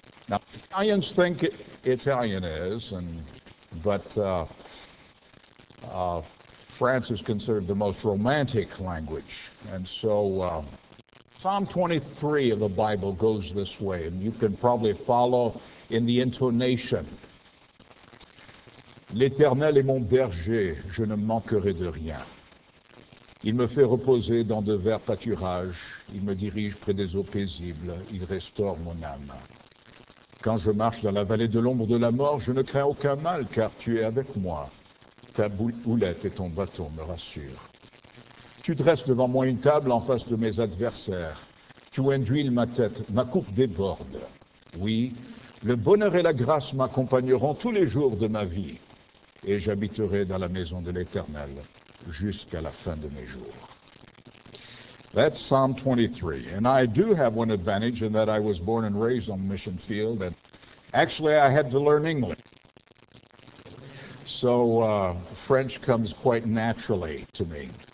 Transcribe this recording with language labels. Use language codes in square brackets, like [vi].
[en] Now, Italians think Italian is, but France is considered the most romantic language. And so Psalm 23 of the Bible goes this way, and you can probably follow in the intonation. [fr] L'Éternel est mon berger, je ne manquerai de rien. Il me fait reposer dans de verts pâturages, il me dirige près des eaux paisibles, il restaure mon âme. Quand je marche dans la vallée de l'ombre de la mort, je ne crains aucun mal, car tu es avec moi. Ta houlette et ton bâton me rassurent. Tu dresses devant moi une table en face de mes adversaires. Tu induis ma tête, ma coupe déborde. Oui, le bonheur et la grâce m'accompagneront tous les jours de ma vie, et j'habiterai dans la maison de l'Éternel jusqu'à la fin de mes jours. [en] That's Psalm 23. And I do have one advantage in that I was born and raised on the mission field, and actually I had to learn English. So French comes quite naturally to me.